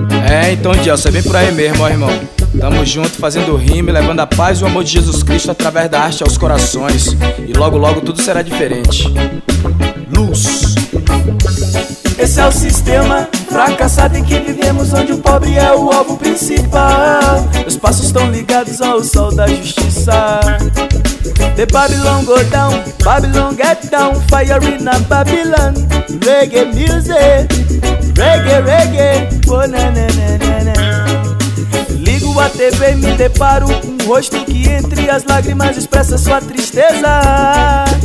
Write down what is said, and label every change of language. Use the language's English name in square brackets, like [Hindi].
[Portuguese] É, então Dielson, é bem por aí mesmo, ó irmão. Tamo junto, fazendo rima, levando a paz e o amor de Jesus Cristo através da arte aos corações. E logo logo tudo será diferente. Luz. Esse é o sistema fracassado em que vivemos, onde o pobre é o alvo principal. Os passos estão ligados ao sol da justiça. [English] The Babylon go down, Babylon get down. Fire in a Babylon, reggae music. Reggae, reggae, oh, na-na-na-na-na. [Portuguese] Ligo a TV e me deparo com um rosto que entre as lágrimas expressa sua tristeza.